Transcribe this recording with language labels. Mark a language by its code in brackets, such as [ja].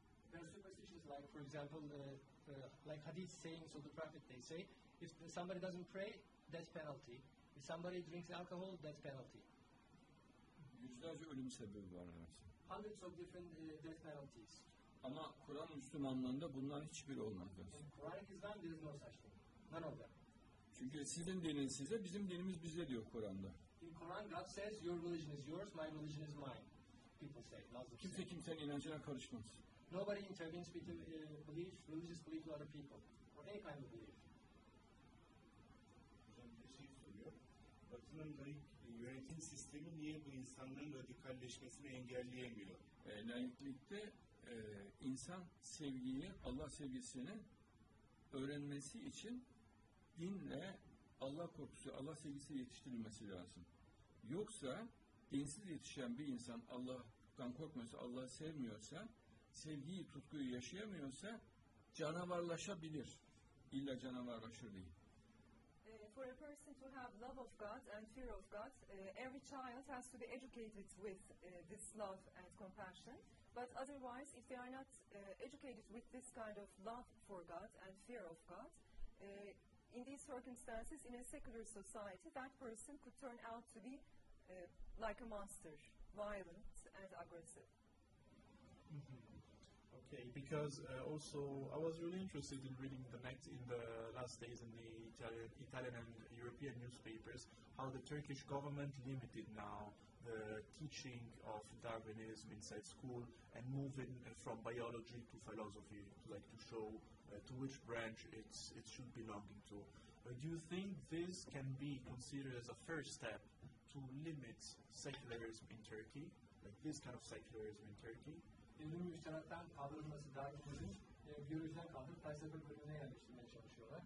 [en] There are superstitions like, for example, like hadith sayings of the Prophet, they say, if somebody doesn't pray, that's penalty. If somebody drinks alcohol, that's penalty. [tr] Yüzlerce ölüm sebebi var arası. [en] Hundreds of different death penalties. [tr] Ama Kur'an Müslümanlığında bunların hiçbiri olmaz. [en] In Quranic Islam, there is no such thing. None of them. [tr] Çünkü sizin dininiz size, bizim dinimiz bize diyor Kur'an'da. [en] In Quran, God says, your religion is yours, my religion is mine. People say, Muslims. [tr] Kimse kimsenin inancına karışmaz. [en] Nobody intervenes with the belief, religious belief to other people, or any kind of belief. [tr] Hocam bir şey soruyor. Batı'nın laik yönetim sistemi niye bu insanların radikalleşmesini engelleyemiyor? Laiklikte insan sevgiyi, Allah sevgisini öğrenmesi için dinle Allah korkusu, Allah sevgisi yetiştirilmesi lazım. Yoksa dinsiz yetişen bir insan Allah'tan korkmuyorsa, Allah'ı sevmiyorsa, sevgiyi, tutkuyu yaşayamıyorsa canavarlaşabilir. İlla canavarlaşır değil. [en] For a person to have love of God and fear of God, every child has to be educated with this love and compassion. But otherwise, if they are not educated with this kind of love for God and fear of God, in these circumstances, in a secular society, that person could turn out to be like a monster, violent and aggressive. Okay, because also I was really interested in reading the next in the last days in the Italian and European newspapers how the Turkish government limited now the teaching of Darwinism inside school and moving from biology to philosophy, like to show to which branch it should belong to. Do you think this can be considered as a first step to limit secularism in Turkey, like this kind of secularism in Turkey? [tr] İlim müşterekten kaldırılması Darwinizm, biyolojiden kaldırıp felsefe bölümüne yerleştirmeye çalışıyorlar.